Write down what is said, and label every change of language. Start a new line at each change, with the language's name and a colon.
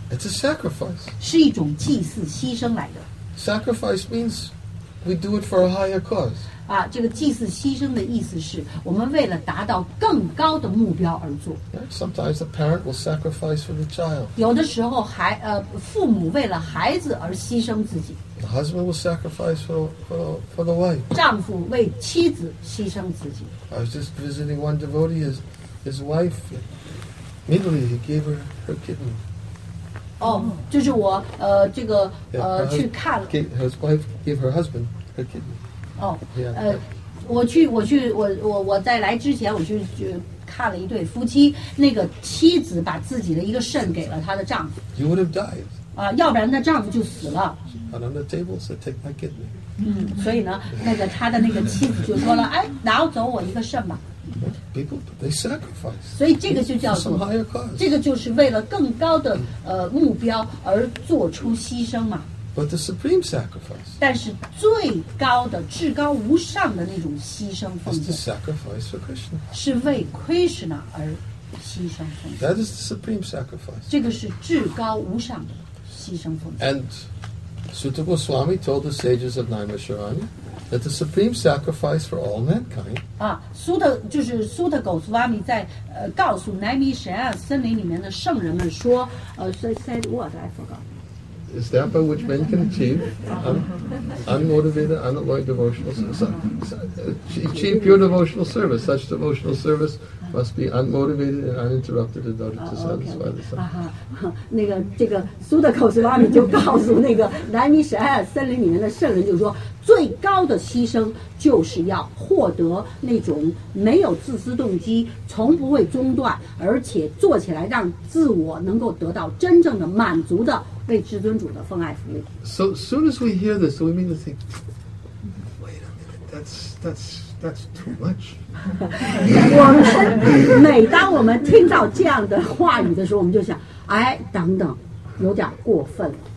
English: It's a sacrifice.
Chinese: 是一种祭祀牺牲来的。
English: Sacrifice means we do it for a higher cause.
Chinese: 啊，这个祭祀牺牲的意思是我们为了达到更高的目标而做。
English: Sometimes a parent will sacrifice for the child.
Chinese: 有的时候父母为了孩子而牺牲自己。
English: The husband will sacrifice for the wife.
Chinese: 丈夫为妻子牺牲自己。
English: I was just visiting one devotee, his wife, immediately he gave her kidney.
Chinese: 哦，就是我这个去看了。
English: His wife gave her husband her kidney. 哦， yeah.
Chinese: 我在来之前我去看了一对夫妻，那个妻子把自己的一个肾给了她的丈夫。
English: You would have died.
Chinese: 啊，要不然那丈夫就死了。
English: She put on the table, said, "Take my kidney."
Chinese: 嗯，所以呢，那个他的那个妻子就说了，哎，拿走我一个肾吧。
English: People sacrifice.
Chinese: 所以这个就叫做
English: higher cause.
Chinese: 这个就是为了更高的目标而做出牺牲嘛。
English: But the supreme sacrifice.
Chinese: 但是最高的、至高无上的那种牺牲奉献。
English: Is the sacrifice for Krishna.
Chinese: 是为 Krishna 而牺牲奉献。
English: That is the supreme sacrifice.
Chinese: 这个是至高无上的牺牲奉献。
English: And Suta Goswami told the sages of Naimisharanya. That the supreme sacrifice for all mankind.
Chinese: Ah, Suta, 就是 Suta Goswami 在告诉南米舍亚森林里面的圣人们说，
English: said what I forgot. Is that by which men can achieve unmotivated, unalloyed devotional service? Achieve pure devotional service. Such devotional service must be unmotivated and uninterrupted in order to satisfy the sun.
Chinese: 那个这个 Suta Goswami 就告诉那个南米舍亚森林里面的圣人就说。最高的牺牲就是要获得那种没有自私动机，从不会中断，而且做起来让自我能够得到真正的满足的为至尊主的奉爱服务。
English: So soon as we hear this, we mean to think, wait a minute, that's too much.
Chinese: 我们每当我们听到这样的话语的时候，我们就想，哎，等等，有点过分了。